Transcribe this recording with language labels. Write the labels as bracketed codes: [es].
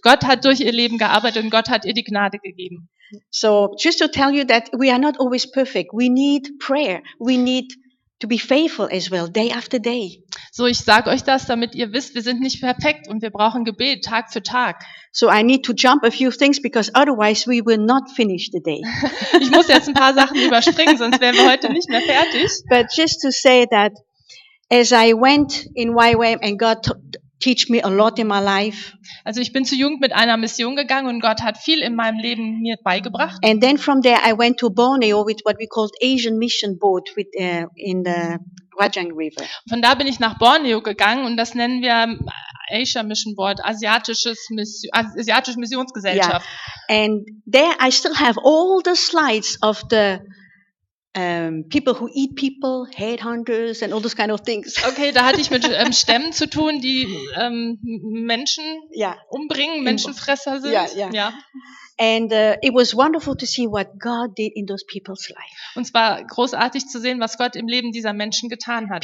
[de] Gott hat durch ihr Leben gearbeitet und Gott hat ihr die Gnade gegeben. [en] So, just to tell you that we are not always perfect. We need prayer. We need to be faithful as well, day after day. [de] So, ich sage euch das, damit ihr wisst, wir sind nicht perfekt und wir brauchen Gebet Tag für Tag. [en] So, I need to jump a few things because otherwise we will not finish the day. [de] Ich muss jetzt ein paar Sachen überspringen, sonst wären wir heute nicht mehr fertig. [en] But just to say that, as I went in YWAM and God teach me a lot in my life. [de] Also ich bin zu Jugend mit einer Mission gegangen und Gott hat viel in meinem Leben mir beigebracht. [en] And then from there I went to Borneo with what we called Asian Mission Boat with in the Rajang River. [de] Von da bin ich nach Borneo gegangen und das nennen wir Asia Mission Board, asiatische Missionsgesellschaft. [en] Yeah. And there I still have all the slides of the people who eat people, headhunters and all those kind of things. [de] Okay, da hatte ich mit Stämmen zu tun, die Menschen umbringen, Menschenfresser sind. Ja. [en] And it was wonderful to see what God did in those people's life. [de] Und zwar großartig zu sehen, was Gott im Leben dieser Menschen getan hat.